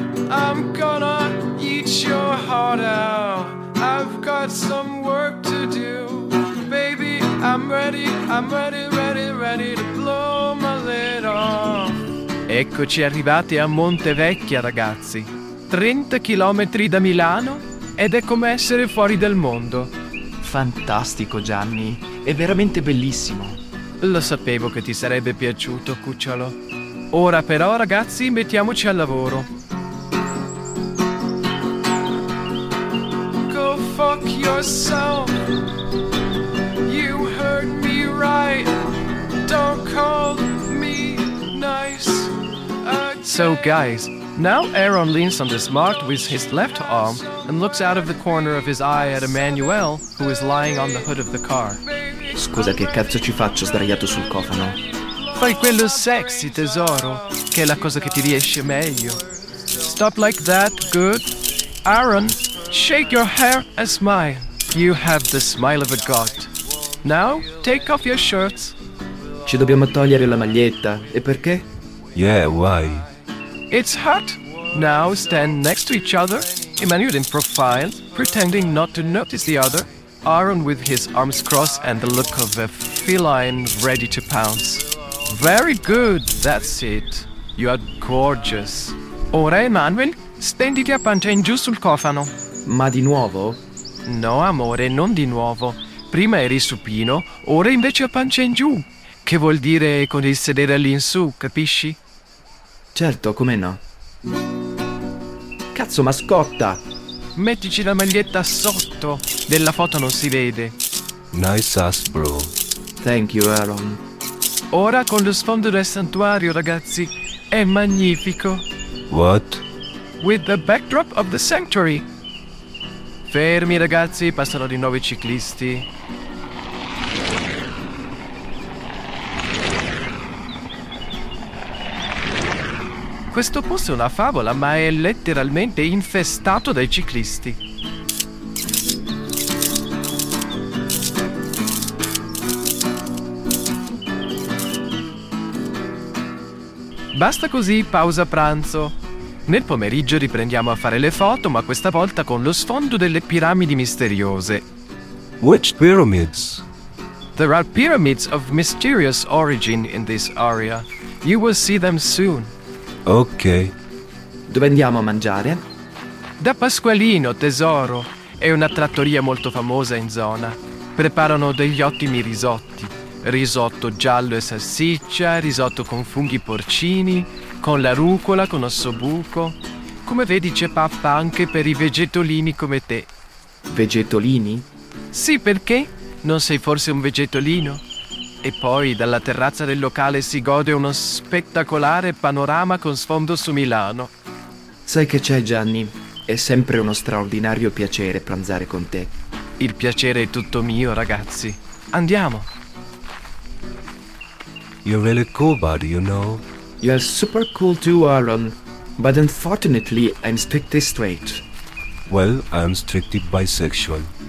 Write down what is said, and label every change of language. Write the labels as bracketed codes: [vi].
[en] I'm gonna eat your heart out. I've got some work to do. Baby, I'm ready, ready, ready to blow my lid off. [it] Eccoci arrivati a Montevecchia, ragazzi. 30 chilometri da Milano? Ed è come essere fuori dal mondo. Fantastico, Gianni. È veramente bellissimo. Lo sapevo che ti sarebbe piaciuto, cucciolo. Ora però, ragazzi, mettiamoci al lavoro. [en] Go fuck yourself. You heard me right. Don't call me nice again. So, guys, now Aaron leans on the smart with his left arm and looks out of the corner of his eye at Emmanuel, who is lying on the hood of the car. [it] Scusa, che cazzo ci faccio sdraiato sul cofano? Fai quello sexy, tesoro, che è la cosa che ti riesce meglio. [en] Stop like that, good. Aaron, shake your hair and smile. You have the smile of a god. Now, take off your shirts. [it] Ci dobbiamo togliere la maglietta, e perché? [en] Yeah, why? It's hot. Now stand next to each other. Emmanuel in profile, pretending not to notice the other. Aaron with his arms crossed and the look of a feline ready to pounce. Very good, that's it. You are gorgeous. [it] Ora, Emmanuel, stenditi a pancia in giù sul cofano. Ma di nuovo? No, amore, non di nuovo. Prima eri supino, ora invece a pancia in giù. Che vuol dire con il sedere lì in su, capisci? Certo, come no. Cazzo, mascotta! Mettici la maglietta sotto. Della foto non si vede. [en] Nice ass, bro. Thank you, Aaron. [it] Ora con lo sfondo del santuario, ragazzi. È magnifico. [en] What? With the backdrop of the sanctuary. [it] Fermi, ragazzi. Passano di nuovo i ciclisti. Questo posto è una favola, ma è letteralmente infestato dai ciclisti. Basta così, pausa pranzo. Nel pomeriggio riprendiamo a fare le foto, ma questa volta con lo sfondo delle piramidi misteriose. [en] Which pyramids? There are pyramids of mysterious origin in this area. You will see them soon. Ok. [it] Dove andiamo a mangiare? Da Pasqualino, tesoro. È una trattoria molto famosa in zona. Preparano degli ottimi risotti. Risotto giallo e salsiccia, risotto con funghi porcini, con la rucola, con ossobuco. Come vedi, c'è pappa anche per i vegetolini come te. Vegetolini? Sì, perché? Non sei forse un vegetolino? E poi dalla terrazza del locale si gode uno spettacolare panorama con sfondo su Milano. Sai che c'è, Gianni? È sempre uno straordinario piacere pranzare con te. Il piacere è tutto mio, ragazzi. Andiamo! [en] You're really cool, buddy, you know? You're super cool too, Aaron. But unfortunately, I'm strictly straight. Well, I'm strictly bisexual.